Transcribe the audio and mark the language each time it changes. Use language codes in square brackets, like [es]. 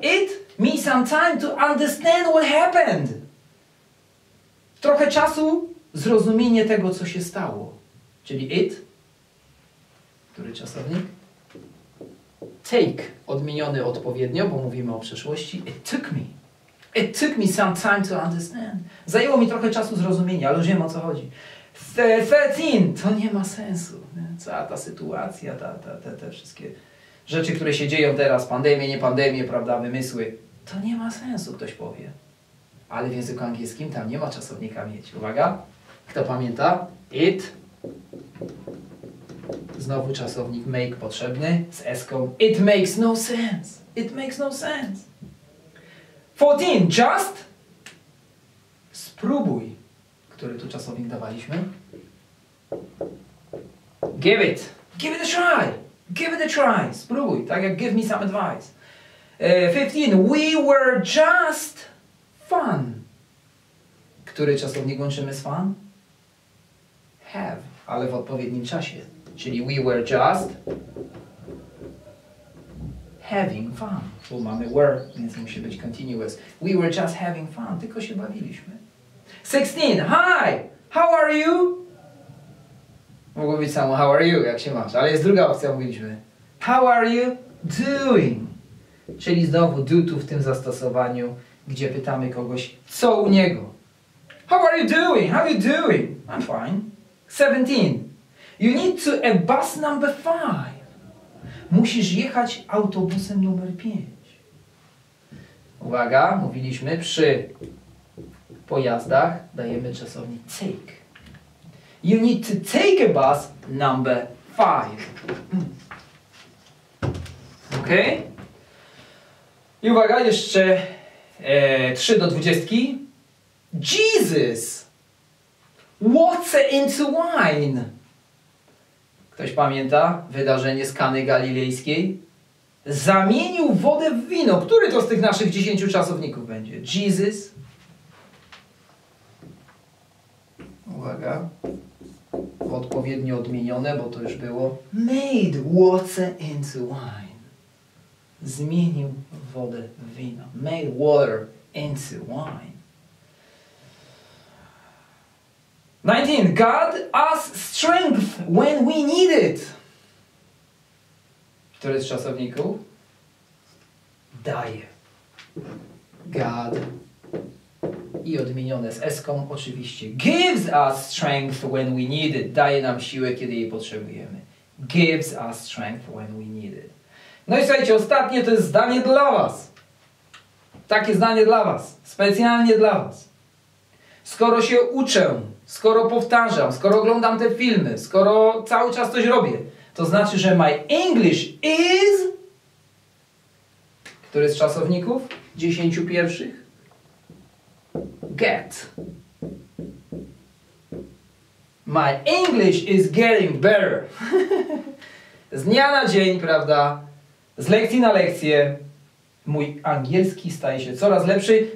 [en] It me some time to understand what happened. [pl] Trochę czasu zrozumienie tego, co się stało. Czyli it, który czasownik? Take, odmieniony odpowiednio, bo mówimy o przeszłości. [en] It took me some time to understand. [pl] Zajęło mi trochę czasu zrozumienia, ale już wiem, o co chodzi. 13. To nie ma sensu. Cała ta sytuacja, te wszystkie rzeczy, które się dzieją teraz, pandemie, nie pandemie, prawda, wymysły. To nie ma sensu, ktoś powie. Ale w języku angielskim tam nie ma czasownika mieć. Uwaga, kto pamięta? It. Znowu czasownik make potrzebny z S-ką. [en] It makes no sense. It makes no sense. 14. Just. [pl] Spróbuj, który tu czasownik dawaliśmy. [en] Give it. Give it a try. Give it a try. [pl] Spróbuj, tak jak [en] give me some advice. 15. We were just fun. [pl] Który czasownik łączymy z fun? Have, ale w odpowiednim czasie. Czyli [en] we were just having fun. [pl] Tu mamy were, więc musi być continuous. [en] We were just having fun. [pl] Tylko się bawiliśmy. [en] 16. Hi! How are you? [pl] Mogło być samo how are you, jak się masz. Ale jest druga opcja, mówiliśmy. [en] How are you doing? [pl] Czyli znowu do tu w tym zastosowaniu, gdzie pytamy kogoś, co u niego. [en] How are you doing? How are you doing? I'm fine. 17. You need to a bus number 5. [pl] Musisz jechać autobusem numer 5. Uwaga, mówiliśmy przy pojazdach dajemy czasownik take. [en] You need to take a bus number 5. [pl] Ok? I uwaga, jeszcze 3 do 20. [en] Jesus! What's into wine? [pl] Ktoś pamięta wydarzenie z Kany Galilejskiej? Zamienił wodę w wino. Który to z tych naszych 10 czasowników będzie? Jesus? Uwaga. Odpowiednio odmienione, bo to już było. [en] Made water into wine. [pl] Zmienił wodę w wino. [en] Made water into wine. 19. God us strength when we need it. [pl] Który z czasowników? Daje. God. I odmienione z S-ką oczywiście. [en] Gives us strength when we need it. [pl] Daje nam siłę, kiedy jej potrzebujemy. [en] Gives us strength when we need it. [pl] No i słuchajcie, ostatnie to jest zdanie dla was. Takie zdanie dla was. Specjalnie dla was. Skoro się uczę, skoro powtarzam, skoro oglądam te filmy, skoro cały czas coś robię, to znaczy, że [en] my English is... [pl] Który z czasowników? 10 pierwszych? Get. [en] My English is getting better. [pl] Z dnia na dzień, prawda? Z lekcji na lekcję mój angielski staje się coraz lepszy.